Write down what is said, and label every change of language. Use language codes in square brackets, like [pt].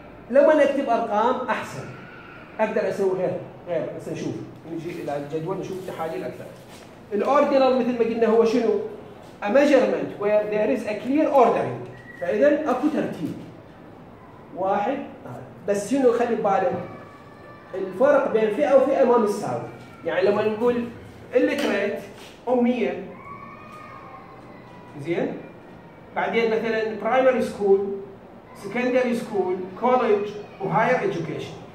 [ar] لما نكتب ارقام احسن، اقدر اسوي غير هسه نشوف، نجي الى الجدول نشوف التحاليل اكثر. الاوردينال مثل ما قلنا هو شنو؟ [en] A measurement where there is a clear ordering. [ar] فاذا اكو ترتيب واحد، بس شنو خلي بالك الفرق بين فئه وفئه ما متساوي. يعني لما نقول الليتريت اميه زين، بعدين مثلا برايمري سكول، سكندري سكول، كوليدج، وهاير ايدوكيشن.